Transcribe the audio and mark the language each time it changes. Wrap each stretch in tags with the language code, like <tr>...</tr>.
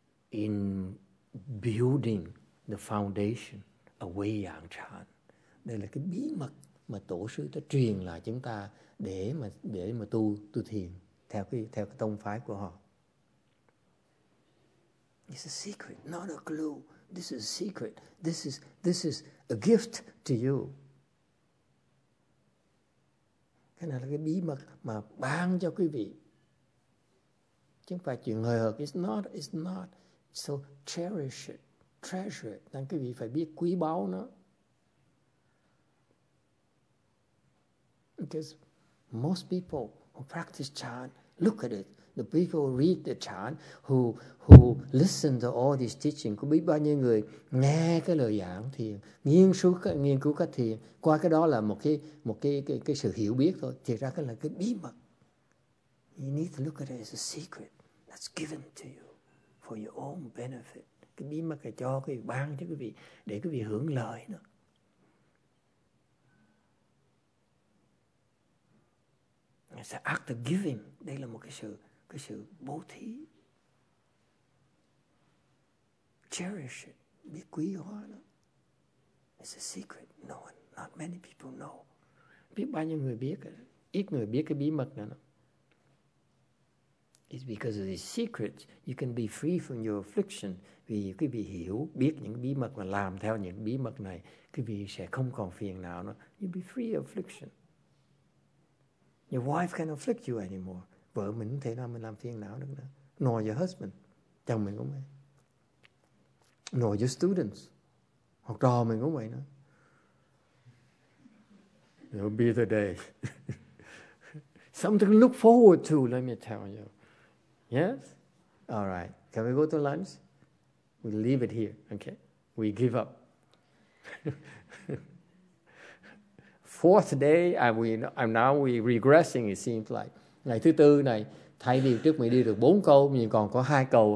<en>In building the foundation of Wei Yang Chan.</en> <vi>Đây là cái bí mật mà tổ sư đã truyền lại chúng ta để mà tu thiền theo cái tông phái của họ.</vi> <en>It's a secret, not a clue. This is a secret. This is a gift to you.</en> <vi>Cái này là cái bí mật mà ban cho quý vị. Chứ không phải chuyện hời hợt.</vi> <en>It's not. So cherish it. Treasure it.</en> <vi>Nên quý vị phải biết quý báu nó.</vi> <en>Because most people who practice chan, look at it. The people who read the chant, who listen to all these teachings,</en> <vi>có biết bao nhiêu người nghe cái lời giảng thiền, nghiên cứu cách thiền, qua cái đó là một cái sự hiểu biết thôi. Thì ra cái là cái bí mật.</vi> <en>You need to look at it as a secret that's given to you for your own benefit.</en> <vi>Cái bí mật là cho cái ban cho quý vị, để quý vị hưởng lợi nữa.</vi> <en>It's an act of giving.</en> <vi>Đây là một cái sự bố thí.</vi> <en>Cherish it.</en> <vi>Biết quý hóa nó.</vi> <en>It's a secret. No one, not many people know.</en> <vi>Biết bao nhiêu người biết. Ít người biết cái bí mật này nó.</vi> <en>It's because of this secret, you can be free from your affliction.</en> <vi>Vì quý vị hiểu, biết những bí mật mà làm theo những bí mật này, quý vị sẽ không còn phiền não nữa.</vi> <en>You'll be free of affliction. Your wife can't afflict you anymore.</en> <vi>Vợ mình không thể nào mình làm phiền não được nữa.</vi> <en>Nor your husband.</en> <vi>Chồng mình cũng vậy.</vi> <en>Nor your students.</en> <vi>Học trò mình cũng vậy nữa.</vi> <en>It'll be the day. Something to look forward to, let me tell you. Yes? All right. Can we go to lunch? We leave it here, okay? We give up. Fourth day, and we regressing, it seems like.</en> <vi>Ngày thứ tư này, thay vì trước mình đi được 4 câu, mình còn có 2 câu.</vi>